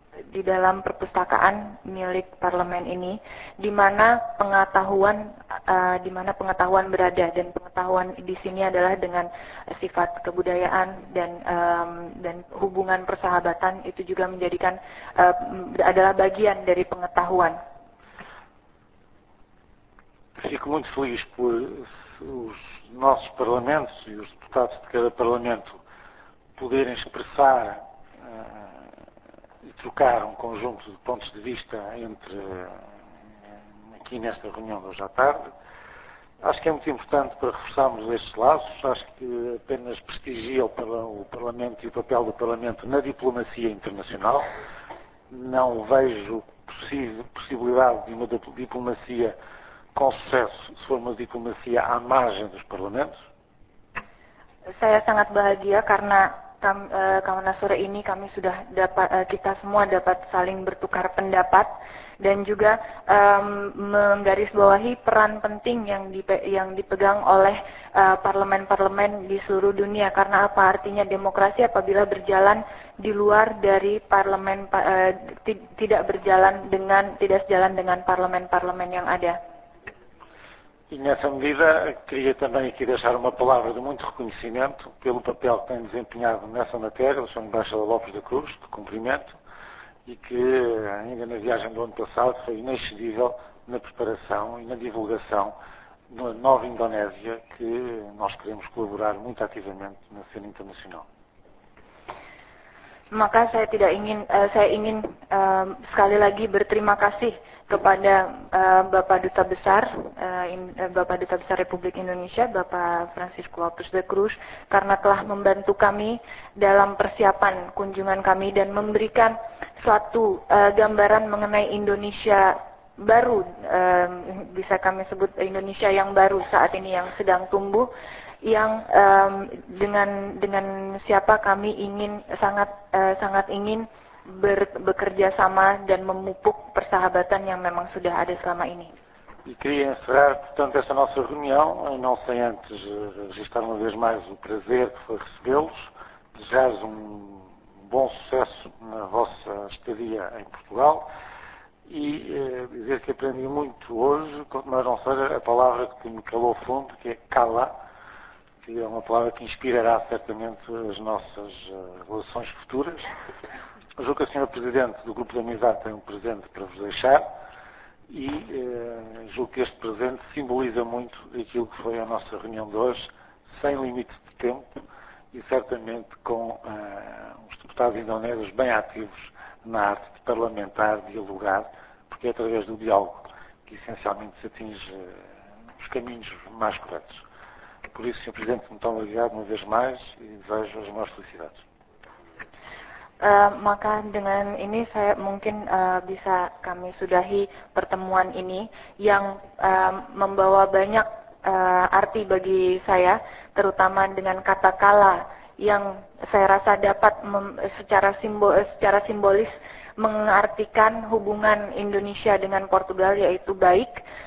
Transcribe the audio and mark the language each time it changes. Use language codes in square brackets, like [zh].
[id] di dalam perpustakaan milik parlemen ini, di mana pengetahuan berada, dan pengetahuan di sini adalah dengan sifat kebudayaan dan hubungan persahabatan itu juga menjadikan adalah bagian dari pengetahuan. [pt] Fico muito feliz por os nossos parlamentos e os deputados de cada parlamento poderem expressar e trocar um conjunto de pontos de vista entre aqui nesta reunião de hoje à tarde. Acho que é muito importante para reforçarmos estes laços. Acho que apenas prestigia o Parlamento e o papel do Parlamento na diplomacia internacional. Não vejo possibilidade de uma diplomacia com sucesso se for uma diplomacia à margem dos Parlamentos. [id] Saya sangat bahagia karena karena sore ini kami sudah dapat, kita semua dapat saling bertukar pendapat dan juga menggarisbawahi peran penting yang dipegang oleh parlemen-parlemen di seluruh dunia. Karena apa artinya demokrasi apabila berjalan di luar dari parlemen, tidak sejalan dengan parlemen-parlemen yang ada. [pt] E nessa medida, queria também aqui deixar uma palavra de muito reconhecimento pelo papel que tem desempenhado nessa matéria, o Sr. Embaixador Lopes da Cruz, de cumprimento, e que ainda na viagem do ano passado foi inexcedível na preparação e na divulgação da nova Indonésia, que nós queremos colaborar muito ativamente na cena internacional. [id] Maka saya ingin sekali lagi berterima kasih kepada Bapak Duta Besar Republik Indonesia, Bapak Francisco Lopes de Cruz, karena telah membantu kami dalam persiapan kunjungan kami dan memberikan suatu gambaran mengenai Indonesia baru, bisa kami sebut Indonesia yang baru saat ini yang sedang tumbuh, yang dengan siapa kami ingin sangat ingin bekerja sama dan memupuk persahabatan yang memang sudah ada selama ini. [pt] E queria encerrar, portanto, esta nossa reunião, e não sem antes registrar uma vez mais o prazer que foi recebê-los, desejar-vos bom sucesso na vossa estadia em Portugal e dizer que aprendi muito hoje, mas não seja a palavra que me calou fundo, que é cala, que é uma palavra que inspirará certamente as nossas relações futuras. Julgo que a senhora Presidente do Grupo de Amizade tem um presente para vos deixar e julgo que este presente simboliza muito aquilo que foi a nossa reunião de hoje, sem limite de tempo e certamente com os deputados indonésios bem ativos na arte de parlamentar, dialogar, porque é através do diálogo que essencialmente se atinge os caminhos mais corretos. Por isso, Sr. Presidente, muito obrigado uma vez mais e desejo as maiores felicidades. [id] Maka dengan ini saya mungkin bisa kami sudahi pertemuan ini yang membawa banyak arti bagi saya, terutama dengan kata kala yang saya rasa dapat secara simbolis mengartikan hubungan Indonesia dengan Portugal, yaitu baik.